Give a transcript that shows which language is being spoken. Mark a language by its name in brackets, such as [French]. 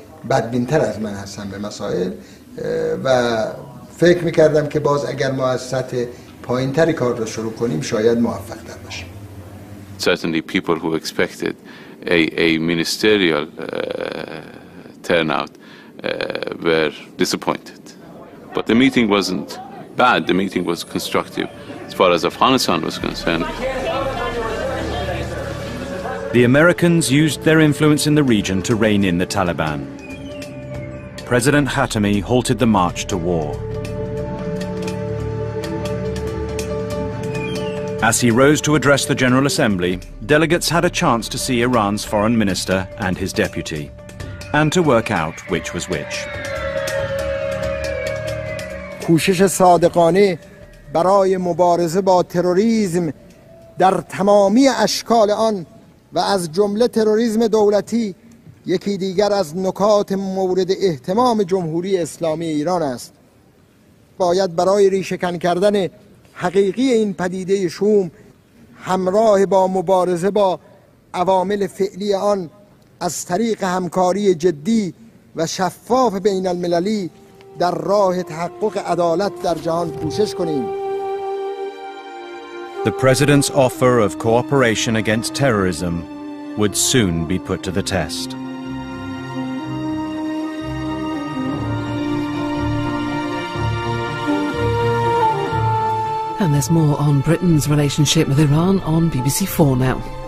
[Persian] بدبین‌تر از من هستن به مسائل و فکر می‌کردم که باز اگر ما از سطح پایین‌تری کار را شروع کنیم شاید موفق‌تر باشیم. [English] Certainly people who expected a ministerial turnout were disappointed. But the meeting wasn't bad, the meeting was constructive as far as Afghanistan was concerned. The Americans used their influence in the region to rein in the Taliban. President Khatami halted the march to war. As he rose to address the General Assembly, delegates had a chance to see Iran's foreign minister and his deputy, and to work out which was which. [Persian] کوشش صادقانه برای مبارزه با تروریسم در تمامی اشکال آن و از جمله تروریسم دولتی یکی دیگر از نکات مورد اهتمام جمهوری اسلامی ایران است. باید برای ریشه‌کن کردن حقیقی این پدیده شوم همراه با مبارزه با عوامل فعلی آن از طریق همکاری جدی و شفاف بین المللی در راه تحقق عدالت در جهان کوشش کنیم. [English] The president's offer of cooperation against terrorism would soon be put to the test. And there's more on Britain's relationship with Iran on BBC4 now.